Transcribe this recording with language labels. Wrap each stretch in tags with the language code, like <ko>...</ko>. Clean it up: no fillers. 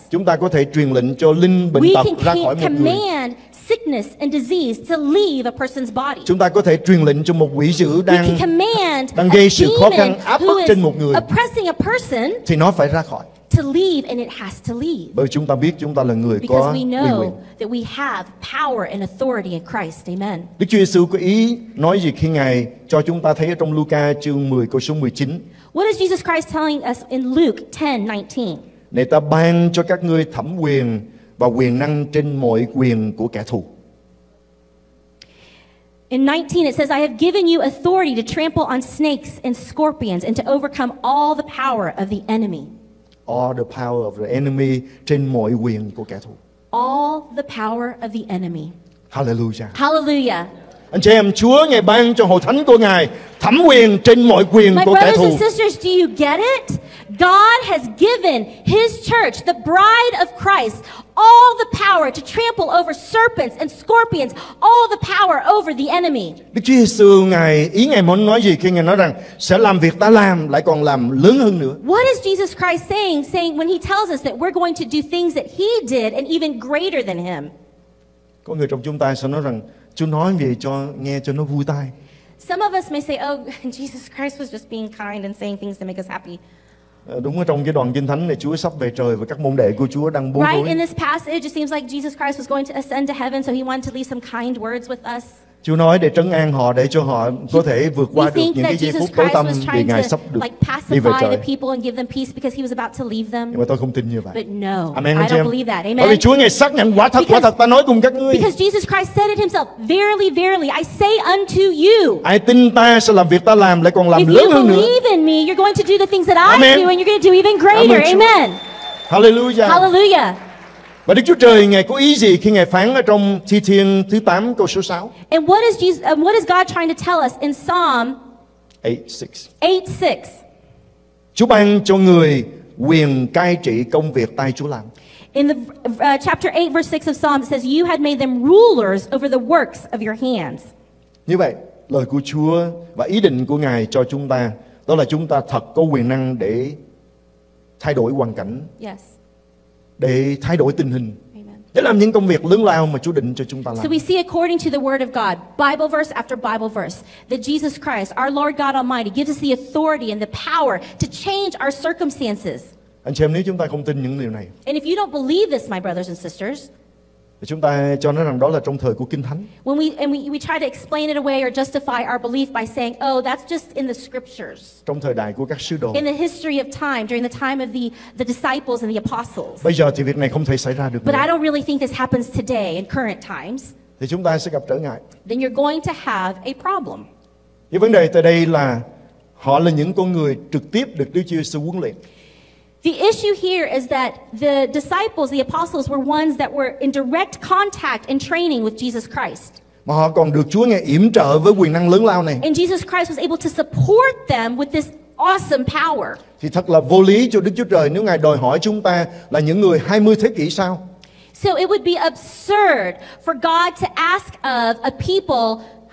<vi>chúng ta có thể truyền lệnh cho linh bệnh tật ra khỏi một</vi> <en>command</en> <vi>người.</vi> <en>Sickness and disease to leave a person's body.</en> <vi>Chúng ta có thể truyền lệnh cho một quỷ dữ đang gây sự khó khăn áp bức trên một người,</vi> <en>oppressing a person,</en> <vi>thì nó phải ra khỏi.</vi> <en>To leave, and it has to leave.</en> <vi>Bởi chúng ta biết chúng ta là người có quyền.</vi> <en>Because we know that we have power and authority in Christ. Amen.</en> <vi>Đức Chúa Giêsu có ý nói gì khi ngài cho chúng ta thấy ở trong Luca chương 10 câu số 19?</vi> <en>What is Jesus Christ telling us in Luke 10:19?</en> <vi>Này ta ban cho các ngươi thẩm quyền và quyền năng trên mọi quyền của kẻ thù.</vi> <en>In 19 it says, I have given you authority to trample on snakes and scorpions and to overcome all the power of the enemy. All the power of the enemy,</en> <vi>trên mọi quyền của kẻ thù.</vi> <en>All the power of the enemy. Hallelujah. Hallelujah.</en> <vi>Anh chị em, Chúa ngài ban cho hội thánh của ngài thẩm quyền trên mọi quyền của kẻ thù.</vi> <en>My brothers and sisters, do you get it? God has given his church, the bride of Christ, all the power to trample over serpents and scorpions, all the power over the enemy.</en> <vi>Đức Chúa Giêsu ngài ý ngài muốn nói gì khi ngài nói rằng sẽ làm việc ta làm lại còn làm lớn hơn nữa?</vi> <en>What is Jesus Christ saying when he tells us that we're going to do things that he did and even greater than him?</en> <vi>Có người trong chúng ta sẽ nói rằng Chúa nói về cho nghe cho nó vui tai.</vi> <en>Some of us may say, oh, Jesus Christ was just being kind and saying things to make us happy.</en> <vi>Đúng ở trong cái đoạn kinh thánh này Chúa sắp về trời và các môn đệ của Chúa đang bối rối.</vi> <en>Right in this passage it seems like Jesus Christ was going to ascend to heaven so he wanted to leave some kind words with us.</en> <vi>Chúa nói để trấn an họ để cho họ có thể vượt qua được những cái giây phút tối tăm vì ngài sắp được đi về trời.</vi> <en>The people and give them peace because he was about to leave them.</en> <vi>Nhưng mà tôi không tin như vậy.</vi> <en>But no. Amen, I don't believe that. Amen.</en> <vi>Bởi vì Chúa ngài xác nhận quả thật ta nói cùng các ngươi.</vi> <en>Because Jesus Christ said it himself, verily verily I say unto you.</en> <vi>Ai tin ta sẽ làm việc ta làm lại còn làm lớn hơn nữa.</vi> <en>If you believe in me, you're going to do the things that I do and you're going to do even greater. Amen. Hallelujah. Hallelujah.</en> <vi>Và Đức Chúa Trời ngài có ý gì khi ngài phán ở trong Thi Thiên thứ 8 câu số 6?</vi> <en>And what is Jesus, what is God trying to tell us in Psalm 8:6?</en> <vi>Chúa ban cho người quyền cai trị công việc tay Chúa làm.</vi> <en>In the chapter 8 verse 6 of Psalm it says you had made them rulers over the works of your hands.</en> <vi>Như vậy, lời của Chúa và ý định của ngài cho chúng ta đó là chúng ta thật có quyền năng để thay đổi hoàn cảnh.</vi> <en>Yes.</en> <vi>Để thay đổi tình hình. Amen. Để làm những công việc lớn lao mà Chúa định cho chúng ta làm.</vi> <en>So we see according to the word of God, Bible verse after Bible verse, that Jesus Christ, our Lord God Almighty, gives us the authority and the power to change our circumstances.</en> <vi>Anh chị em, nếu chúng ta không tin những điều này,</vi> <en>and if you don't believe this, my brothers and sisters,</en> <vi>chúng ta cho nó rằng đó là trong thời của Kinh Thánh.</vi> <en>When we try to explain it away or justify our belief by saying, oh, that's just in the scriptures.</en> <vi>Trong thời đại của các sứ đồ.</vi> <en>In the history of time, during the time of the disciples and the apostles.</en> <vi>Bây giờ thì việc này không thể xảy ra được.</vi> <en>But</en> <vi>nữa.</vi> <en>I don't really think this happens today in current times.</en> <vi>Thì chúng ta sẽ gặp trở ngại.</vi> <en>Then you're going to have a problem.</en> <vi>Cái vấn đề tại đây là họ là những con người trực tiếp được Đức Chúa Jesus huấn luyện.</vi> <en>The issue here is that the disciples, the apostles, were ones that were in direct contact and training with Jesus Christ.</en> <vi>Mà họ còn được Chúa ngài yểm trợ với quyền năng lớn lao này.</vi> <en>And Jesus Christ was able to support them with this awesome power.</en> <vi>Thì thật là vô lý cho Đức Chúa Trời nếu ngài đòi hỏi chúng ta là những người 20 thế kỷ sau.</vi> <en>So it would be absurd for God to ask of a people</en>